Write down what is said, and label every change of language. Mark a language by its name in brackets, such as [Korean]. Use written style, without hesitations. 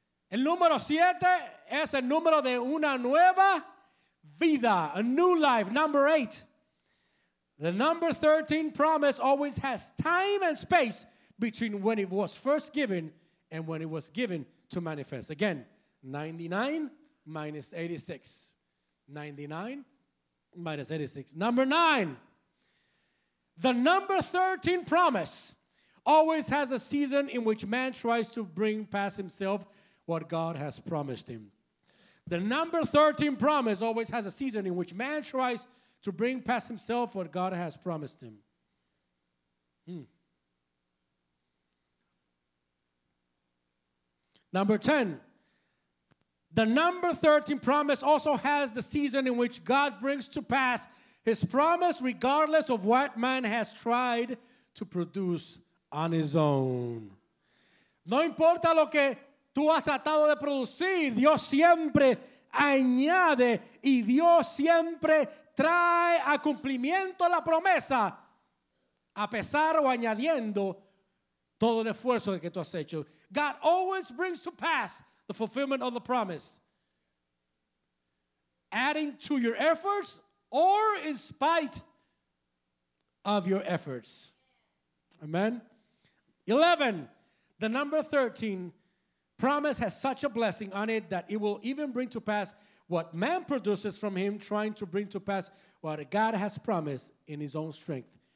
[Spanish] El número 7 es el número de una nueva vida, [English] a new life. Number 8. The number 13 promise always has time and space between when it was first given and when it was given to manifest. Again, 99 minus 86. 99 minus 86. Number 9. The number 13 promise always has a season in which man tries to bring past himself what God has promised him. The number 13 promise always has a season in which man tries to bring past himself what God has promised him. Number 10. The number 13 promise also has the season in which God brings to pass his promise, regardless of what man has tried to produce on his own. [Spanish] No importa lo que tú has tratado de producir, Dios siempre añade y Dios siempre trae a cumplimiento la promesa, a pesar o añadiendo todo el esfuerzo que tú has hecho. [English] God always brings to pass the fulfillment of the promise, adding to your efforts, or in spite of your efforts. Amen. 11. The number 13 promise has such a blessing on it that it will even bring to pass what man produces from him trying to bring to pass what God has promised in his own strength.